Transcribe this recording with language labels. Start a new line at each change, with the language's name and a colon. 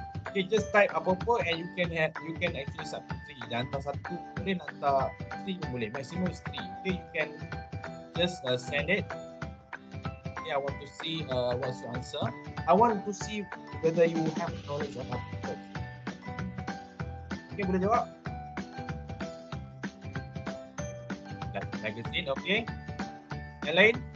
English: Okay, just type
Malay: apa-apa
English: and you can have, you can actually submit 3.
Malay: Dan hantar 1, boleh hantar 3 pun boleh.
English: Maximum is 3. Okay, you can just send it. Okay, I want to see what's your answer. I want to see whether you have knowledge of articles.
Malay: Okay, boleh jawab? Magazine, okay. Yang lain?